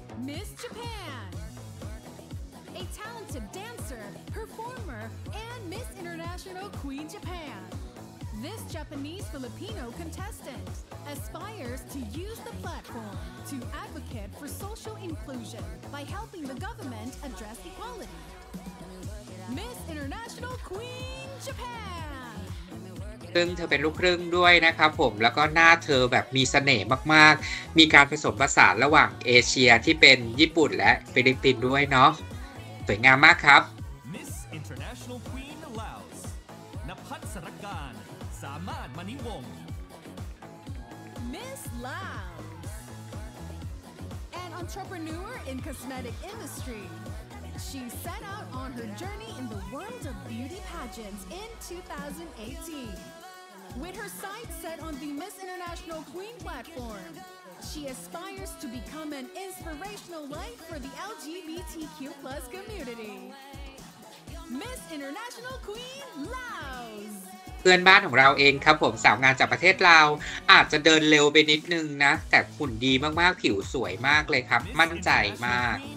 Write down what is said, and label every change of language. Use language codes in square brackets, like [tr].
[en] Miss Japan, a talented dancer, performer, and Miss International Queen Japan. This Japanese-Filipino contestant aspires to use the platform to advocate for social inclusion by helping the government address equality. Miss International Queen Japan. [th] ซึ่งเธอเป็นลูกครึ่งด้วยนะครับผมแล้วก็หน้าเธอแบบมีเสน่ห์มากๆมีการผสมผสานระหว่างเอเชียที่เป็นญี่ปุ่นและฟิลิปปินส์ด้วยเนาะสวยงามมากครับ [en] Miss International Queen Laos นภัทรสรการสามารถมณีวงศ์ Miss Laos entrepreneur in cosmetic industry. She set out on her journey in the world of beauty pageants in 2018. With her sights set on the Miss International Queen platform, she aspires to become an inspirational light for the LGBTQ+ community. Miss International Queen Laos! [th] เพื่อนบ้านของเราเองครับผมสาวงามจากประเทศลาวอาจจะเดินเร็วไปนิดนึงนะแต่หุ่นดีมากๆผิวสวยมากเลยครับมั่นใจมาก